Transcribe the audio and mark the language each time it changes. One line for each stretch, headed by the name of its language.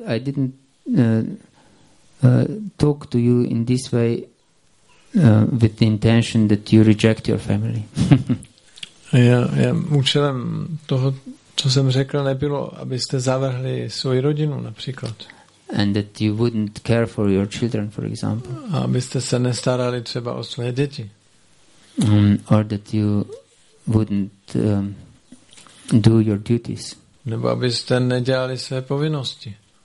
English: I didn't talk to you in this way with the intention that you reject your family.
Czech: Já účelem toho, co jsem řekl, nebylo, abyste zavrhli svoji rodinu, například.
English: And that you wouldn't care for your children, for example.
Czech: A abyste se nestarali třeba o své děti.
English: Or that you wouldn't do your duties.
Czech: Nebo abyste nedělali své povinnosti.